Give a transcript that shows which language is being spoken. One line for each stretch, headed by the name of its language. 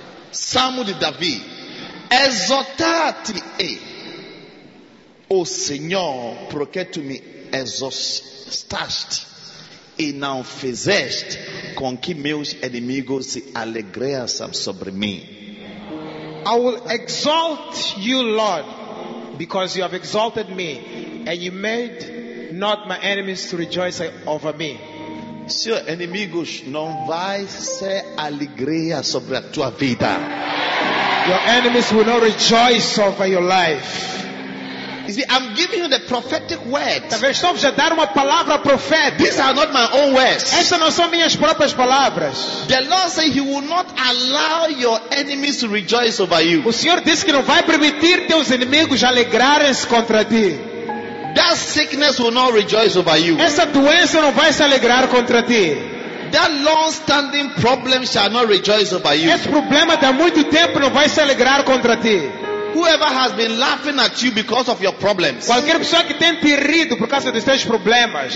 Portuguese: Salmo de Davi. Exaltar-te-ei, o Senhor, porque tu me exaltaste e não fizeste com que meus inimigos se alegressem sobre mim.
English: I will exalt you, Lord, because you have exalted me, and you made not my enemies to rejoice over me.
Portuguese: Seu inimigos não vai ser alegria sobre a tua vida.
English: Your enemies will not rejoice over your life. You see, I'm giving you the prophetic words.
Portuguese: Também estou a dar uma palavra profética.
English: These are not my own words.
Portuguese: Estas não são minhas próprias palavras.
English: The Lord said he will not allow your enemies to rejoice over you.
Portuguese: O Senhor disse que não vai permitir teus inimigos alegrarem-se contra ti.
English: That sickness will not rejoice over you.
Portuguese: Essa doença não vai se alegrar contra ti.
English: That long-standing problem shall not rejoice over you.
Portuguese: Esse problema de muito tempo não vai se alegrar contra ti.
English: Whoever has been laughing at you because of your problems.
Portuguese: Qualquer pessoa que tem te rido por causa dos teus problemas.